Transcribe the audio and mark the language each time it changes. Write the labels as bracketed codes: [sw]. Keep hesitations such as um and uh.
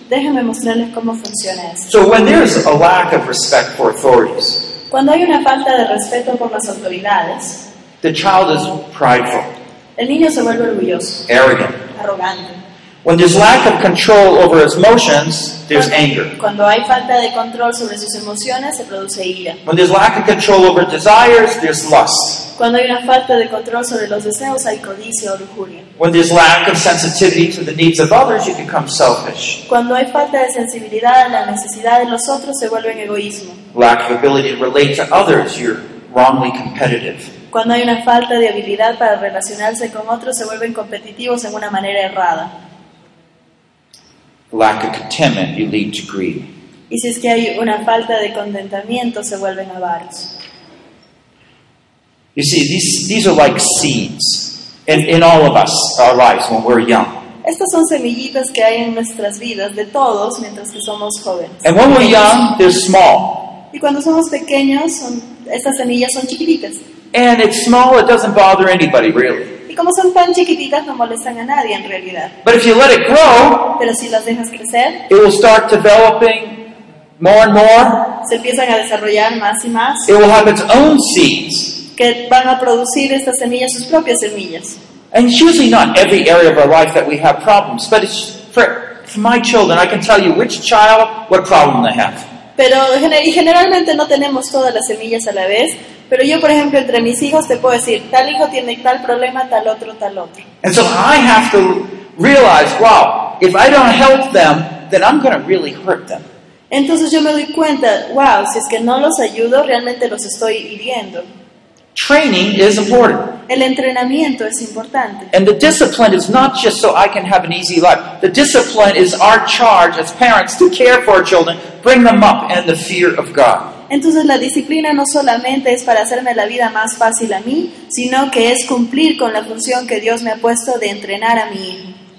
[es] déjenme mostrarles cómo funciona esto. [en] So when a lack of for [es] cuando hay una falta de respeto por las autoridades, [en] the child is prideful, [es] El niño se vuelve orgulloso. [en] Arrogant. Arrogante. When there's lack of control over his emotions, there's anger. [es] Cuando hay falta de control sobre sus emociones, se produce ira. [en] When there's lack of control over desires, there's lust. [es] Cuando hay una falta de control sobre los deseos, hay codicia o lujuria. [en] When there's lack of sensitivity to the needs of others, you become selfish. [es] Cuando hay falta de sensibilidad a la necesidad de los otros, se vuelve egoísmo. [en] Lack of ability to relate to others, you're wrongly competitive. [es] Cuando hay una falta de habilidad para relacionarse con otros, se vuelven competitivos en una manera errada [en] lack of contentment, you lead to greed. [es] Y si es que hay una falta de contentamiento, se vuelven avaros. [en] You see, these, these are like seeds in, in all of us, our lives, when we're young. These are [es] semillitas que hay en nuestras vidas, de todos, mientras que [en] And when we're young, they're small. [es] Y cuando somos pequeños, son, estas semillas son [en] And it's small, it doesn't bother anybody, really. [es] Como son tan chiquititas no molestan a nadie en realidad. [en] Grow, [es] pero si las dejas crecer, [en] it will start developing more and more. [es] Se empiezan a desarrollar más y más. [en] It will have its own seeds. [es] Que van a producir estas semillas sus propias semillas. [en] And it's usually not every area of our life that we have problems, but it's for, for my children, I can tell you which child what problem they have. [es] Pero generalmente no tenemos todas las semillas a la vez, Pero yo, por ejemplo, entre mis hijos te puedo decir, tal hijo tiene tal problema, tal otro, tal otro. [en] And so I have to realize, wow, if I don't help them, then I'm going to really hurt them. [es] Entonces yo me doy cuenta, wow, si es que no los ayudo, realmente los estoy hiriendo. [en] Training is important. [es] El entrenamiento es importante. [en] And the discipline is not just so I can have an easy life. The discipline is our charge as parents to care for our children, bring them up in the fear of God. [es] Entonces la disciplina no solamente es para hacerme la vida más fácil a mí, sino que es cumplir con la función que Dios me ha puesto de entrenar a mi hijo.